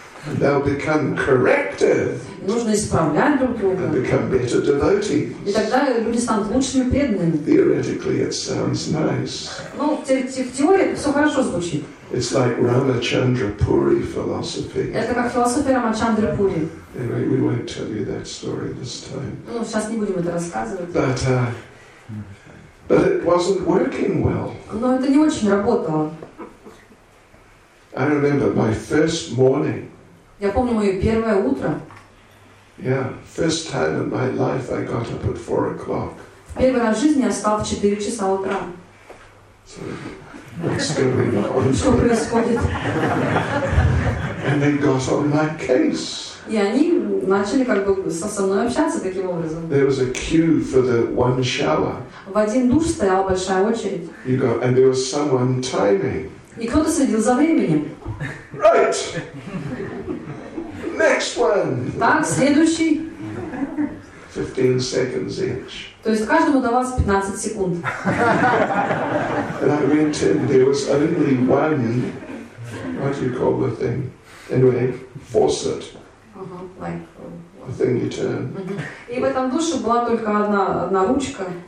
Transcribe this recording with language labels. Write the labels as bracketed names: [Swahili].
[English] And they'll become corrective. [Russian] Нужно исправлять друг друга. [English] And become better devotees. [Russian] И тогда люди станут лучшими преданными. [English] Theoretically, it sounds nice. [Russian] Ну, в теории все хорошо звучит. [English] It's like Ramachandrapuri philosophy. [Russian] Это как философия Рамачандрапури. [English] Anyway, we won't tell you that story this time. [Russian] Ну, сейчас не будем это рассказывать. [English] But it wasn't working well. [Russian] Но это не очень работало. [English] I remember my first morning. [Russian] Я помню моё первое утро. [English] Yeah, first time in my life I got up at 4 o'clock. [Russian] В первый раз в жизни я встал в 4 часа утра. [English] So, [Russian] Что происходит? [English] And they got on my case. [Russian] И они начали как бы со мной общаться таким образом. [English] There was a queue for the one shower. [Russian] В один душ стояла большая очередь. [English] You go, and there was someone timing. [Russian] И кто-то следил за временем. [English] Right. Next one. [Russian] Так, следующий. [English] 15 seconds each. [Russian] То есть каждому давалось 15 секунд. [English] And I went in, there was only one, what do you call the thing? Anyway, faucet. Like, the thing you turn. [Russian] И в этом душе была только одна ручка.